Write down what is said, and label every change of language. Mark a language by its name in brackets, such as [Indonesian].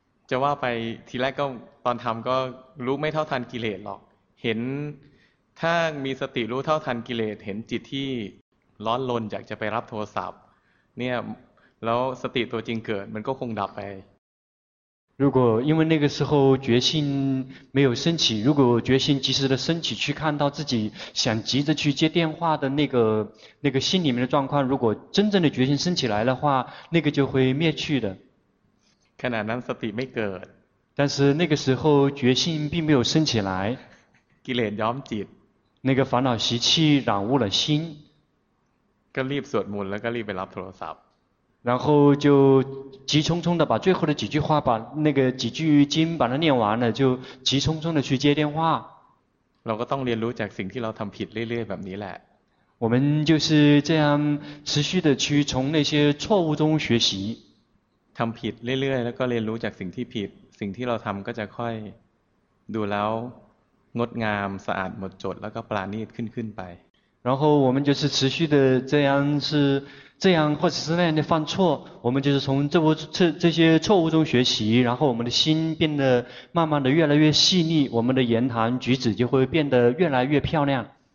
[Thai] จะว่าไปทีแรกก็ตอนทำก็รู้ไม่เท่าทันกิเลสหรอกเห็นถ้ามีสติรู้เท่าทันกิเลสเห็นจิตที่ร้อนรนอยากจะไปรับโทรศัพท์เนี่ยแล้วสติตัวจริงเกิดมันก็คงดับไป [Chinese] 如果因为那个时候决心没有升起，如果决心及时的升起，去看到自己想急着去接电话的那个心里面的状况，如果真正的决心升起来的话，那个就会灭去的。 [Thai] ขณะนั้นสติไม่เกิด [Chinese] 但是那个时候决心并没有升起来。 [Thai] กิเลสย้อมจิต [Chinese] 那个烦恼习气染污了心。 [Thai] ก็รีบสวดมนต์แล้วก็รีบไปรับโทรศัพท์ [Chinese] 然后就急匆匆的把最后的几句话把那个几句经把它念完了就急匆匆的去接电话 [Thai] เราก็ต้องเรียนรู้จากสิ่งที่เราทำผิดเรื่อยๆแบบนี้แหละ [Chinese] 我们就是这样持续的去从那些错误中学习 [Thai] ทำผิดเรื่อยๆแล้วก็เรียนรู้จากสิ่งที่ผิดสิ่งที่เราทำก็จะค่อยดูแล้วงดงามสะอาดหมดจดแล้วก็ปราณีตขึ้นไป [Chinese] 然后我们就是持续的这样或者是那样的犯错，我们就是从这些错误中学习，然后我们的心变得慢慢的越来越细腻，我们的言谈举止就会变得越来越漂亮。